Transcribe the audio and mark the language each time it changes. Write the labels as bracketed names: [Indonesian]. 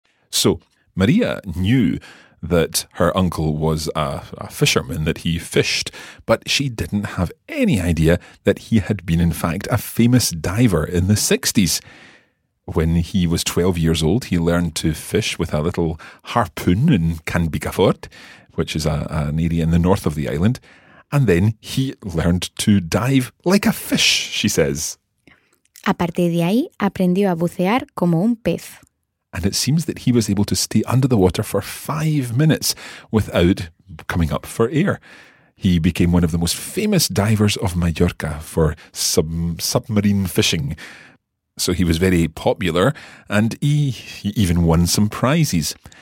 [English] So, Maria knew that her uncle was a fisherman, that he fished, but she didn't have any idea that he had been, in fact, a famous diver in the 60s. When he was 12 years old, he learned to fish with a little harpoon in Canbicafort, which is an area in the north of the island, and then he learned to dive like a fish, she says. [Spanish] A partir de ahí, aprendió a bucear como un pez. [English] And it seems that he was able to stay under the water for 5 minutes without coming up for air. He became one of the most famous divers of Mallorca for submarine fishing. So he was very popular and he even won some prizes.